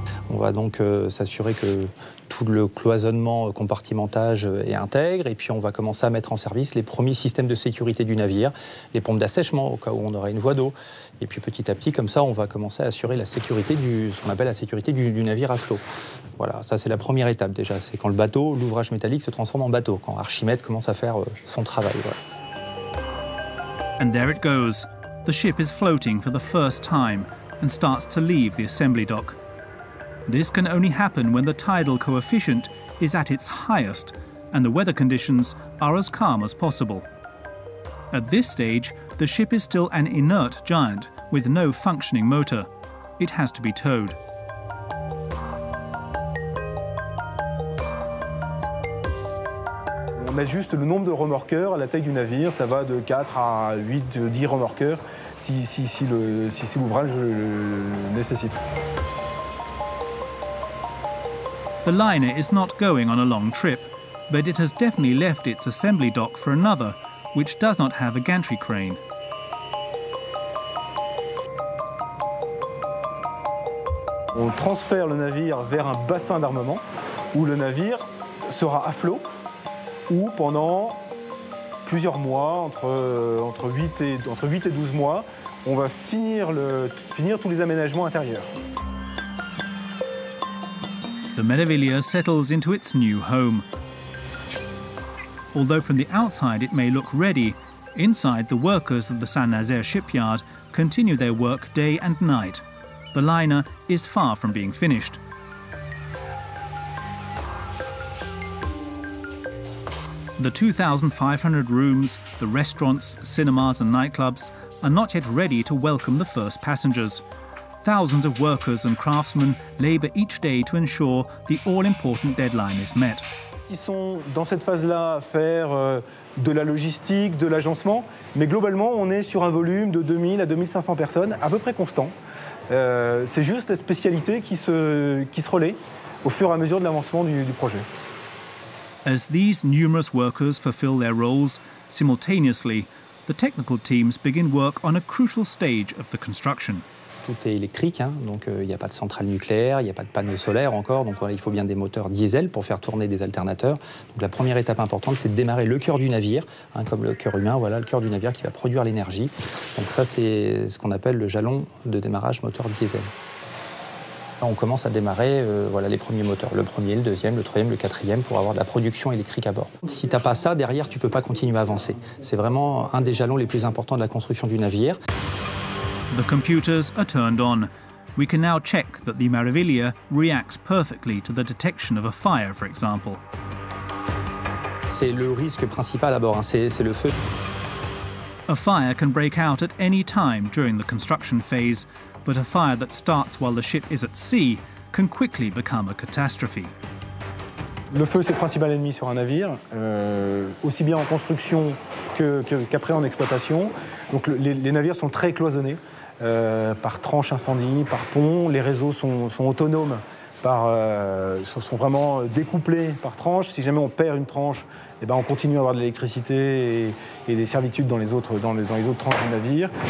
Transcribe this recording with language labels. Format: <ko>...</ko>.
<fr>On va donc s'assurer que tout le cloisonnement compartimentage est intègre et puis on va commencer à mettre en service les premiers systèmes de sécurité du navire, les pompes d'assèchement au cas où on aurait une voie d'eau. Et puis petit à petit, comme ça, on va commencer à assurer la sécurité du, ce qu'on appelle la sécurité du navire à flot. Voilà, ça c'est la première étape déjà, c'est quand le bateau, l'ouvrage métallique se transforme en bateau, quand Archimède commence à faire son travail. Voilà.</fr> <en>And there it goes. The ship is floating for the first time and starts to leave the assembly dock. This can only happen when the tidal coefficient is at its highest and the weather conditions are as calm as possible. At this stage, the ship is still an inert giant with no functioning motor. It has to be towed.</en> <fr>On ajuste le nombre de remorqueurs à la taille du navire, ça va de 4 à 8, 10 remorqueurs si l'ouvrage le nécessite.</fr> <en>The liner is not going on a long trip, but it has definitely left its assembly dock for another, which does not have a gantry crane.</en> <fr>On transfère le navire vers un bassin d'armement où le navire sera à flot ou pendant plusieurs mois, entre 8 et 12 mois, on va finir tous les aménagements intérieurs.</fr> <en>The Meraviglia settles into its new home. Although from the outside it may look ready, inside the workers of the Saint-Nazaire shipyard continue their work day and night. The liner is far from being finished. The 2,500 rooms, the restaurants, cinemas and nightclubs are not yet ready to welcome the first passengers. Thousands of workers and craftsmen labor each day to ensure the all-important deadline is met.</en> <fr>Ils sont dans cette phase-là à faire de la logistique, de l'agencement, mais globalement, on est sur un volume de 2000 à 2500 personnes, à peu près constant. C'est juste la spécialité qui se relaie au fur et à mesure de l'avancement du projet.</fr> <en>As these numerous workers fulfill their roles simultaneously, the technical teams begin work on a crucial stage of the construction.</en> <fr>Tout est électrique, hein, donc il n'y a pas de centrale nucléaire, il n'y a pas de panneaux solaires encore, donc voilà, il faut bien des moteurs diesel pour faire tourner des alternateurs. Donc la première étape importante, c'est de démarrer le cœur du navire, hein, comme le cœur humain, voilà, le cœur du navire qui va produire l'énergie. Donc ça, c'est ce qu'on appelle le jalon de démarrage moteur diesel. Là, on commence à démarrer voilà, les premiers moteurs, le premier, le deuxième, le troisième, le quatrième, pour avoir de la production électrique à bord. Si tu n'as pas ça, derrière, tu ne peux pas continuer à avancer. C'est vraiment un des jalons les plus importants de la construction du navire.</fr> <en>The computers are turned on. We can now check that the Meraviglia reacts perfectly to the detection of a fire, for example.</en> <fr>C'est le risque principal à bord, hein. C'est le feu.</fr> <en>A fire can break out at any time during the construction phase, but a fire that starts while the ship is at sea can quickly become a catastrophe.</en> <fr>Le feu, c'est le principal ennemi sur un navire, aussi bien en construction qu'après en exploitation. Donc les navires sont très cloisonnés par tranches incendie, par ponts. Les réseaux sont autonomes, sont vraiment découplés par tranches. Si jamais on perd une tranche, eh ben, on continue à avoir de l'électricité et des servitudes dans les autres tranches du navire.</fr>